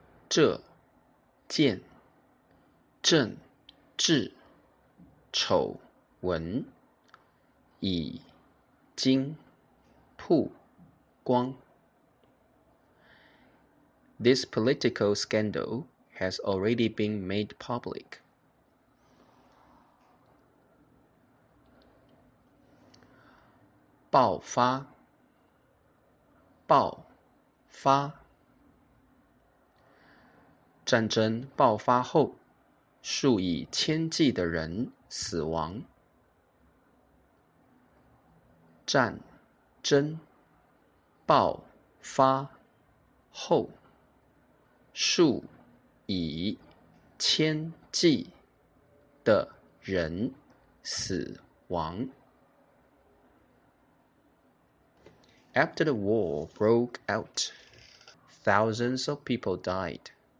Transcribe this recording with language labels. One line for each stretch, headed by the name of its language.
Chinese: 这件政治丑闻已经曝光。
English: This political scandal has already been made public.
Chinese: 爆发，爆发。战争爆发后，数以千计的人死亡。战争爆发后，数以千计的人死亡。
English: After the war broke out, thousands of people died.